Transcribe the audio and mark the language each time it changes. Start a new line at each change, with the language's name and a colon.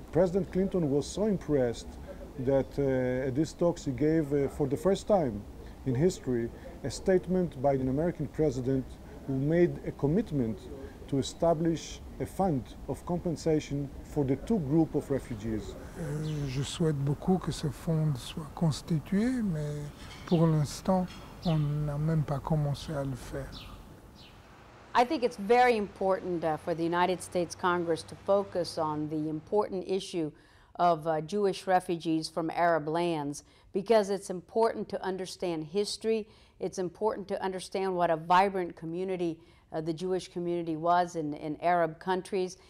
English: President Clinton was so impressed that at these talks he gave, for the first time in history, a statement by an American president who made a commitment to establish a fund of compensation for the two groups of refugees.
French: Je souhaite beaucoup que ce fonds soit constitué, mais pour l'instant, on n'a même pas commencé à le faire.
English: I think it's very important for the United States Congress to focus on the important issue of Jewish refugees from Arab lands, because it's important to understand history. It's important to understand what a vibrant community the Jewish community was in Arab countries.